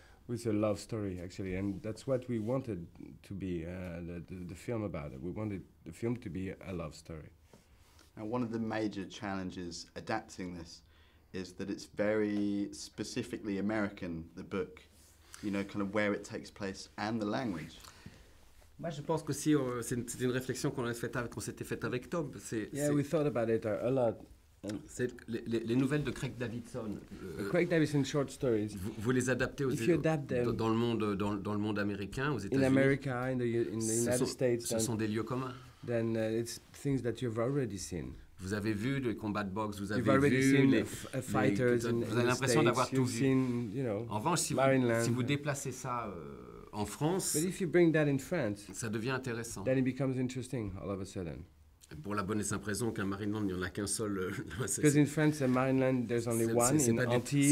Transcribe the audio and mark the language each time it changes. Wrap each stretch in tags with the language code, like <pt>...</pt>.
<en>It was a love story, actually, and that's what we wanted to be, the film about it. We wanted the film to be a love story. Now, one of the major challenges adapting this is that it's very specifically American, the book, you know, kind of where it takes place and the language.</en> <fr>Moi, je pense que si c'est une réflexion qu'on s'était faite avec Tom.</fr> <en>We thought about it a lot.</en> <fr>C'est les nouvelles de Craig Davidson.</fr> <en>Craig Davidson short stories.</en> <fr>Vous les adaptez dans le monde américain, aux États-Unis.</fr> <en>In America, in the United States.</en> <fr>Ce sont des lieux communs.</fr> <en>Then it's things that you've already seen.</en> <fr>Vous avez vu les combats de boxe, vous avez</fr> <en>you've already</en> <fr>vu</fr> <en>seen</en> <fr>les</fr> <en>fighters in</en> <fr>vous avez l'impression d'avoir tout</fr> <en>you've</en> <fr>vu.</fr> <en>Seen, you know,</en> <fr>en revanche, si vous déplacez ça en France,</fr> <en>but if you bring that in France,</en> <fr>ça devient intéressant.</fr> <en>Then it becomes interesting all of a sudden.</en> <fr>Pour la bonne et simple raison qu'un Marineland, il n'y en a qu'un seul.</fr> <en>Because in France, a Marineland, there's only one in Antibes.</en>